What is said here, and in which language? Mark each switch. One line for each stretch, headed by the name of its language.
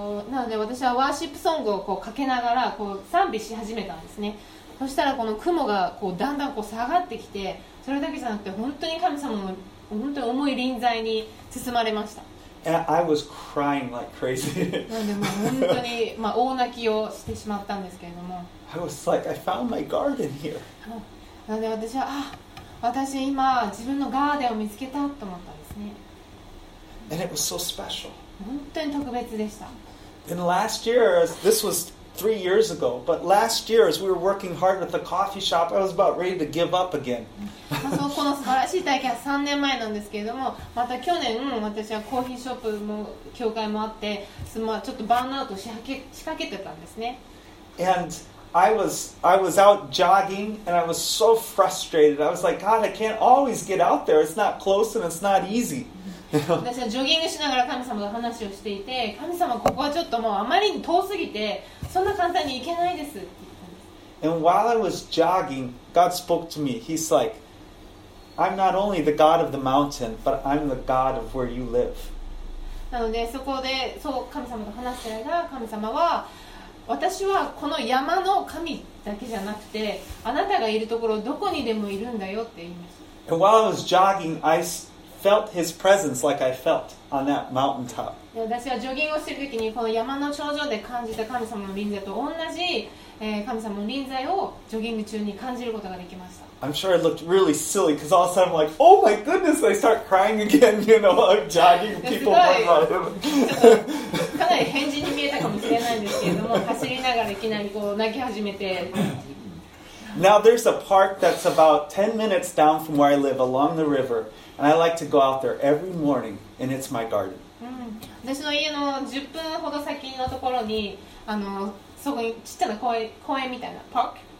Japanese: なので私はワーシップソングをこうかけながらこう賛美し始めたんですね。そしたらこの雲がこうだんだんこう下がってきて、それだけじゃなくて本当に神様の本当に重い臨在に包まれました。
English: And I was crying like crazy.
Japanese: なんでも本当に、まあ、大泣きをしてしまったんですけれども。
English: I was like, I found my garden here.
Japanese: なんで私は、あ、私今自分のガーデンを見つけたと思ったんですね。
English: And it was so special.
Japanese: 本当に特別でした。
English: And last year, this was three years ago, but last year as we were working hard at the coffee shop, I was about ready to give up again.
Japanese: そう、この素晴らしい体験は3年前なんですけれども、また去年私はコーヒーショップも教会もあって、そのちょっとバーンアウトを仕掛けてたんですね。
English: And I was out jogging and I was so frustrated. I was like, God, I can't always get out there. It's not close and it's not easy.
Japanese: 私はジョギングしながら神様と話をしていて、神様ここはちょっともうあまりに遠すぎてそんな簡単に行けないですって言ったんです。
English: And while I was jogging, God spoke to me. He's like, I'm not only the God of the mountain, but I'm the God of where you live.
Japanese: なのでそこでそう神様と話している間、神様は私はこの山の神だけじゃなくて、あなたがいるところどこにでもいるんだよって言いました。
English: And while I was jogging, I felt his presence like I felt on that mountaintop.
Japanese: 私はジョギングをしているときにこの山の頂上で感じた神様の臨在と同じ、神様の臨在をジョギング中に感じることができました。
English: I'm sure I looked really silly because all of a sudden I'm like, oh my goodness, I start crying again, you know, I'm jogging, people run by him.
Japanese: かなり変人に見えたかもしれないんですけれども、走りながらいきなりこう泣き始めて。
English: Now there's a park that's about 10 minutes down from where I live along the river, and I like to go out there every morning, and it's my garden.
Japanese: 私の家の10分ほど先のところに、そこにちっちゃな公園みたいな、park?